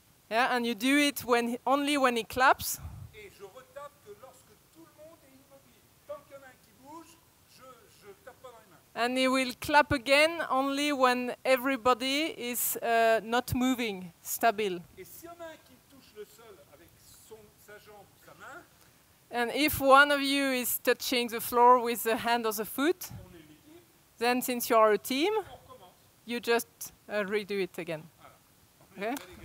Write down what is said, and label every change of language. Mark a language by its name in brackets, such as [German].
[English] Yeah, and you do it only when he claps. [French] Et je retape que lorsque tout le monde est immobile. Tant qu'il y en a un qui bouge, je tape pas dans les mains. [English] And he will clap again only when everybody is not moving, stable. [French] Et si y en a un qui touche le sol avec sa jambe, sa main. [English] And if one of you is touching the floor with the hand or the foot, then since you are a team, you just redo it again. [French] Voilà. Okay?